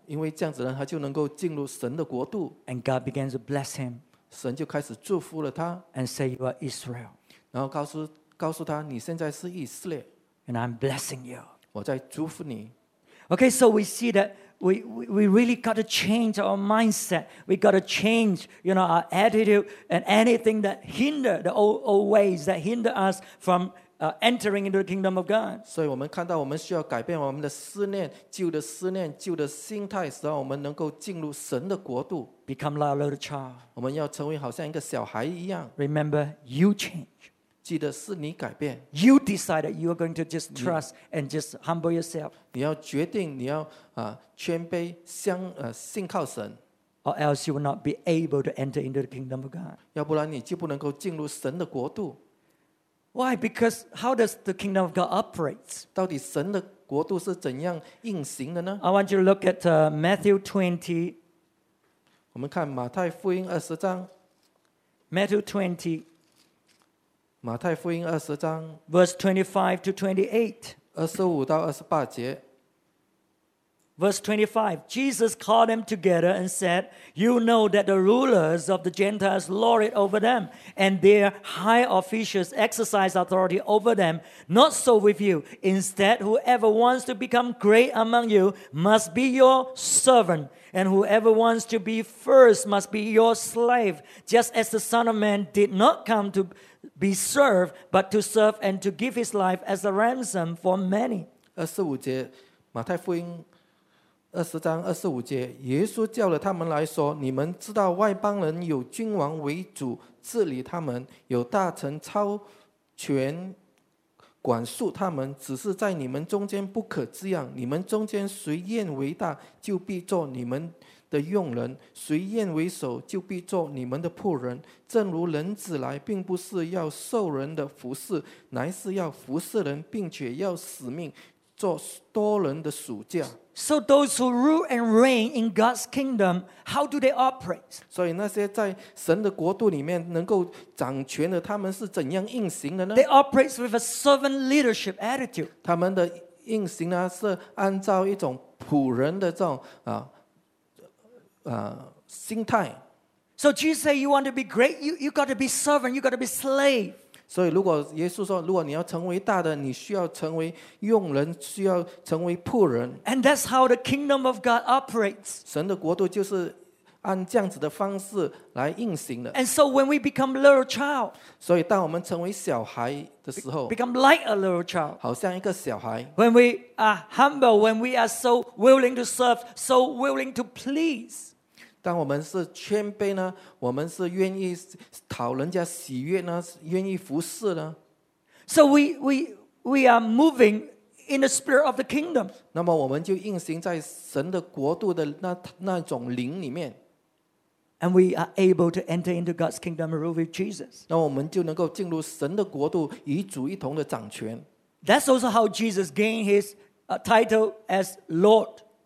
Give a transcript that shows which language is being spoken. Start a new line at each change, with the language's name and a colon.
Chinese: 因为这样子呢，他就能够进入神的国度。
English: And God began to bless him.
Chinese: 神就开始祝福了他。
English: And say, "You are Israel."
Chinese: 然后告诉他，你现在是以色列。
English: And I'm blessing you.
Chinese: 我在祝福你。
English: Okay, so we see that we really got to change our mindset. We got to change, you know, our attitude and anything that hinder the old ways that hinder us from entering into the kingdom of God.
Chinese: 所以我们看到我们需要改变我们的旧的思念、旧的心态，使我们能够进入神的国度。
English: Become like a little child.
Chinese: 我们要成为好像一个小孩一样。
English: Remember, you change.
Chinese: 记得是你改变。
English: You decided you are going to just trust and just humble yourself.
Chinese: 你要决定，你要谦卑，信靠神。
English: Or else you will not be able to enter into the kingdom of God.
Chinese: 要不然你就不能够进入神的国度。
English: Why? Because how does the kingdom of God operate?
Chinese: 到底神的国度是怎样运行的呢？
English: I want you to look at Matthew 20.
Chinese: 我们看马太福音二十章。
English: Matthew 20.
Chinese: 马太福音二十章
English: verse 25 to 28，
Chinese: 二十五到二十八节。
English: Verse 25, Jesus called them together and said, "You know that the rulers of the Gentiles lord it over them, and their high officials exercise authority over them. Not so with you. Instead, whoever wants to become great among you must be your servant, and whoever wants to be first must be your slave. Just as the Son of Man did not come to." be served, but to serve and to give his life as a ransom for many.
Chinese: 25节，马太福音20章25节，耶稣叫了他们来说：“你们知道外邦人有君王为主治理他们，有大臣超权管束他们，只是在你们中间不可这样。你们中间谁愿为大，就必做你们的用人；谁愿为首，就必做你们的仆人。正如人子来，并不是要受人的服侍，乃是要服侍人，并且要死命做多人的属下。”
English: So those who rule and reign in God's kingdom, how do they operate?
Chinese: 所以那些在神的国度里面能够掌权的，他们是怎样运行的呢？
English: They operate with a servant leadership attitude.
Chinese: 他们的运行呢，是按照一种仆人的这种心态。
English: So Jesus said, "You want to be great? You got to be servant. You got to be slave."
Chinese: 所以，如果耶稣说，如果你要成为大的，你需要成为用人，需要成为仆人。
English: And that's how the kingdom of God operates.
Chinese: 神的国度就是按这样子的方式来运行的。
English: And so when we become little child,
Chinese: 所以当我们成为小孩的时候
English: ，become like a little child,
Chinese: 好像一个小孩。
English: When we are humble, when we are so willing to serve, so willing to please.
Chinese: 当我们是谦卑呢，我们是愿意讨人家喜悦呢，愿意服侍呢。
English: So we are moving in the spirit of the kingdom.
Chinese: 那么我们就运行在神的国度的那种灵里面。
English: And we are able to enter into God's kingdom and rule with Jesus.
Chinese: 那我们就能够进入神的国度，与主一同的掌权。
English: That's also how Jesus gained his title as Lord.